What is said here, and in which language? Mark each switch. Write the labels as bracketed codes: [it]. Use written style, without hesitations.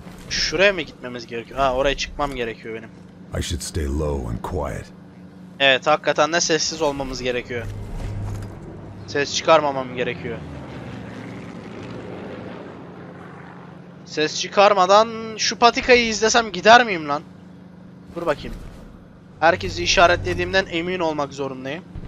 [tr] Şuraya mı gitmemiz gerekiyor? Ha, oraya çıkmam gerekiyor benim. [en] I should stay low and quiet. [tr] Evet, hakikaten de sessiz olmamız gerekiyor. Ses çıkarmamam gerekiyor. Ses çıkarmadan şu patikayı izlesem gider miyim lan? Dur bakayım. Herkesi işaretlediğimden emin olmak zorundayım.